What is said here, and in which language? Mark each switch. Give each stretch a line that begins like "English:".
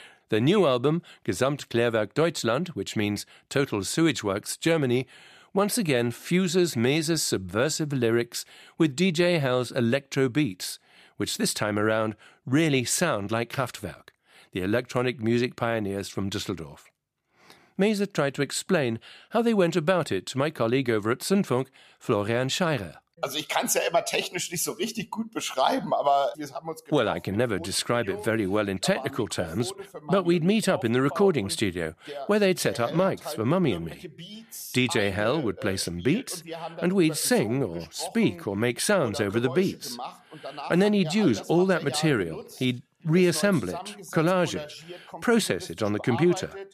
English: Their new album, Gesamtklärwerk Deutschland, which means Total Sewage Works Germany, once again fuses Mays' subversive lyrics with DJ Hell's electro beats, which this time around really sound like Kraftwerk, the electronic music pioneers from Düsseldorf. Mayser tried to explain how they went about it to my colleague over at Sinfunk, Florian Scheirer.
German: Also ich kann's ja immer technisch nicht so richtig gut beschreiben, aber wir haben uns
English: Well, I can never describe it very well in technical terms, but we'd meet up in the recording studio, where they'd set up mics for Mummy and Me. DJ Hell would play some beats, and we'd sing or speak or make sounds over the beats. And then he'd use all that material. He'd reassemble it, collage it, process it on the computer.